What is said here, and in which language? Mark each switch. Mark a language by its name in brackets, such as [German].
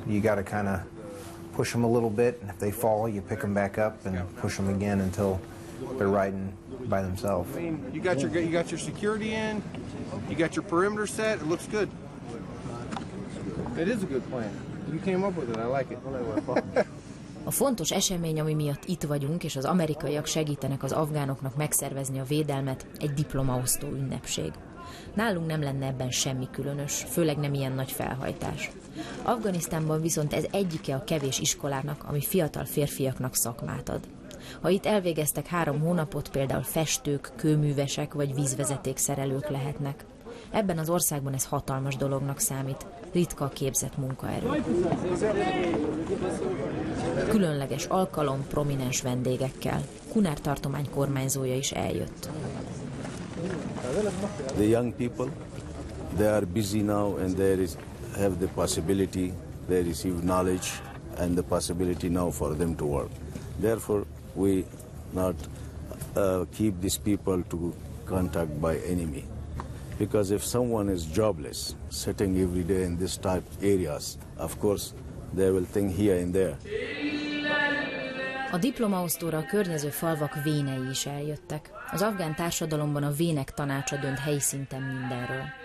[English] You got to kind of push them a little bit, and if they fall, you pick them back up and push them again until they're riding by themselves. I mean, you got your security in, you got your perimeter set, it looks good. It is a good plan. You came up with it. I like it. [Hungarian] A fontos esemény, ami miatt itt vagyunk, és az amerikaiak segítenek az afgánoknak megszervezni a védelmet, egy diplomaosztó ünnepség. Nálunk nem lenne ebben semmi különös, főleg nem ilyen nagy felhajtás. Afganisztánban viszont ez egyike a kevés iskolának, ami fiatal férfiaknak szakmát ad. Ha itt elvégeztek 3 hónapot, például festők, kőművesek vagy vízvezetékszerelők lehetnek. Ebben az országban ez hatalmas dolognak számít, ritka a képzett munkaerő. Különleges alkalom, prominens vendégekkel. Kunár tartomány kormányzója is eljött. [English] The young people, they are busy now and there is have the possibility, they receive knowledge and the possibility now for them to work. Therefore, we not keep these people to contact by enemy. Because if someone is jobless, sitting every day in this type areas, of course, they will think here and there. [Hungarian] A diplomaosztóra a környező falvak vénei is eljöttek. Az afgán társadalomban a vének tanácsa dönt helyi szinten mindenről.